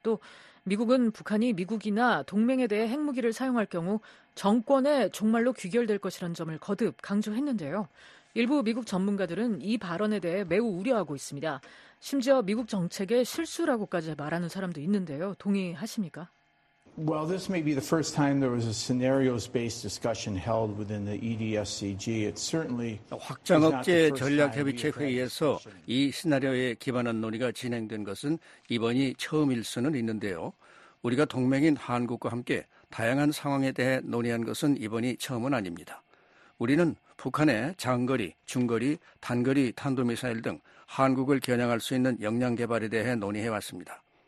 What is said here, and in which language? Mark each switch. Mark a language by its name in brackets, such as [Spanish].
[Korean] 또 미국은 북한이 미국이나 동맹에 대해 핵무기를 사용할 경우 정권에 종말로 귀결될 것이라는 점을 거듭 강조했는데요. 일부 미국 전문가들은 이 발언에 대해 매우 우려하고 있습니다. 심지어 미국 정책의 실수라고까지 말하는 사람도 있는데요. 동의하십니까? [English] Well, this may be the first time there was a scenarios-based discussion held within the EDSCG. It certainly [Korean] 확장억제 전략협의체 회의에서 이 시나리오에 기반한 논의가 진행된 것은 이번이 처음일 수는 있는데요. 우리가 동맹인 한국과 함께 다양한 상황에 대해 논의한 것은 이번이 처음은 아닙니다. 우리는 북한의 장거리, 중거리, 단거리 탄도미사일 등 한국을 겨냥할 수 있는 역량 개발에 대해 논의해왔습니다.